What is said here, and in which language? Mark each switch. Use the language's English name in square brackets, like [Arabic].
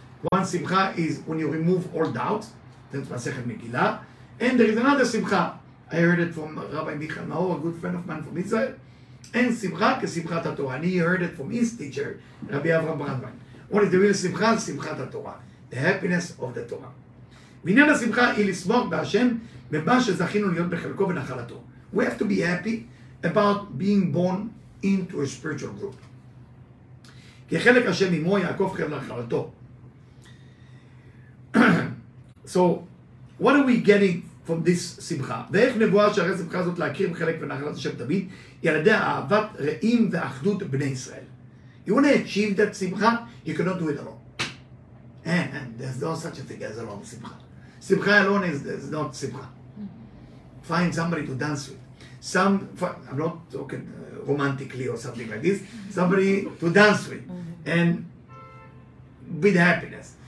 [English] One Simcha is when you remove all doubts. That's Masechet Megillah. And there is another Simcha. I heard it from Rabbi Michal Maor, a good friend of mine from Israel. [Hebrew] En Simcha Ke'Simchat HaTorah. [English] And he heard it from his teacher, Rabbi Avraham Brandwein. What is the real Simcha? Simchat HaTorah. The happiness of the Torah. [Hebrew] V'inyan HaSimcha היא לסמוך בהשם במה שזכינו להיות בחלקו ונחלתו. [English] We have to be happy about being born into a spiritual group. [Hebrew] כחלק השם עמו יעקב חבר לנחלתו. [English] So, what are we getting from this שמחה? [Hebrew] ואיך נבואה שהרי שמחה הזאת להכיר בחלק ונחלת השם תמיד? ילדי אהבת רעים ואחדות בני ישראל. [English] You want to achieve that שמחה? You cannot do it alone. And there's no such a thing as a long שמחה. Simcha alone is not simcha. Find somebody to dance with. I'm not talking romantically or something like this. Somebody to dance with. And with happiness.